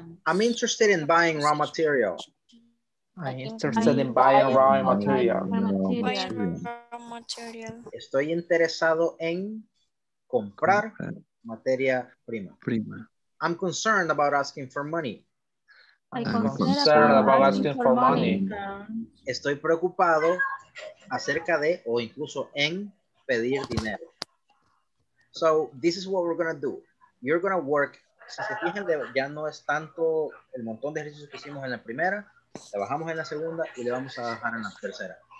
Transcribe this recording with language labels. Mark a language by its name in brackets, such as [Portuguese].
[English] I'm interested in buying raw material. [Spanish] Estoy interesado en comprar materia prima. [English] I'm concerned about asking for money. I'm concerned about asking for money. [Spanish] Estoy preocupado acerca de o incluso en pedir dinero. [English] So this is what we're going to do. You're going to work. [Spanish] Si se fijan, ya no es tanto el montón de ejercicios que hicimos en la primera. Le bajamos en la segunda y le vamos a bajar en la tercera.